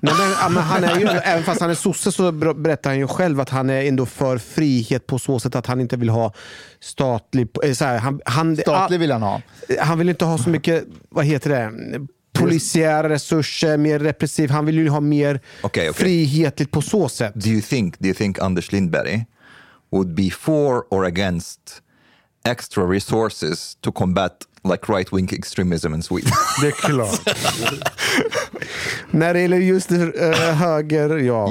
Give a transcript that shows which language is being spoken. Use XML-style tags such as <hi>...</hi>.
<sv>Men han är ju, även fast han är sosse så berättar han ju själv att han är ändå för frihet på så sätt att han inte vill ha statlig... Statlig vill han ha. Han vill inte ha så mycket, vad heter det... polisiära resurser, mer repressiv. Han vill ju ha mer frihetligt på så sätt.</sv> <en>Do you think Anders Lindberg would be for or against extra resources to combat like right-wing extremism in Sweden?</en> <sv>Det är klart. När det gäller just höger, ja.</sv>